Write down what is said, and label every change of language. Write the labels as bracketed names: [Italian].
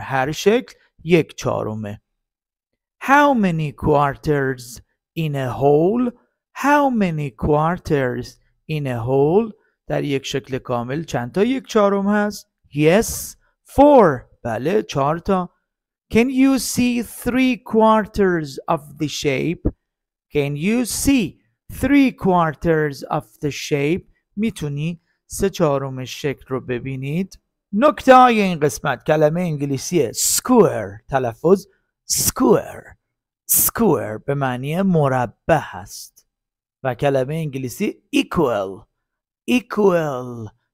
[Persian] هر شکل یک چهارمه. [English] How many quarters in a whole? How many quarters in a whole? [Persian] در یک شکل کامل چند تا یک چهارم هست؟ [English] Yes, four. [Persian] بله، چهار تا. [English] Can you see three quarters of the shape? Can you see three quarters of the shape? [Persian] میتونی سه چهارم شکل رو ببینید؟ نکته های این قسمت کلمه انگلیسی square. تلفظ square. Square به معنی مربع هست. و کلمه انگلیسی equal. Equal.